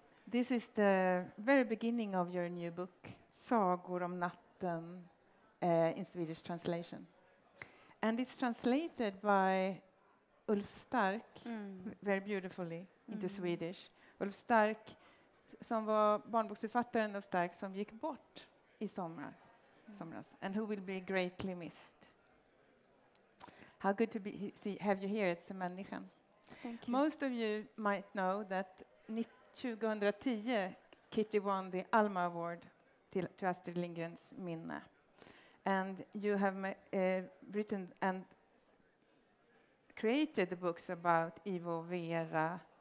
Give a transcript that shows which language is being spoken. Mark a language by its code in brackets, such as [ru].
[en] This is the very beginning of your new book, Sagor om natten, in Swedish translation. And it's translated by Ulf Stark, very beautifully, into Swedish. [sv] Ulf Stark, som var barnboksförfattaren av Stark, som gick bort i somras. [en] And who will be greatly missed. How good to be have you here at Se Människan. Thank you. Most of you might know that 2010, Kitty won the ALMA Award to Astrid Lindgren's minne. And you have written and created the books about Ivo Vera.